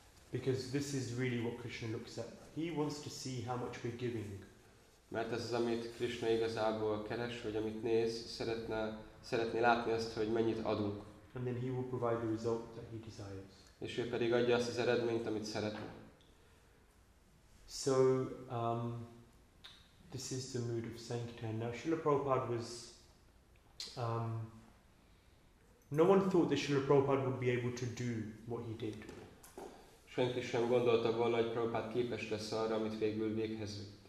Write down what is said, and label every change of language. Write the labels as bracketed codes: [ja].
[en] Because this is really what Krishna looks at. He wants to see how much we're giving. [hu] Mert ez az, amit Krishna igazából keres, vagy amit néz, szeretné látni azt, hogy mennyit adunk. [en] And then he will provide the result that he desires. [hu] És ő pedig adja azt az eredményt, amit szeretne. [en] So, this is the mood of sankirtan. Now, Srila Prabhupada was no one thought that Srila Prabhupada would be able to do what he did. [hu] Senki sem gondolta volna, hogy Prabhupada képes lesz arra, amit végül véghez vitt.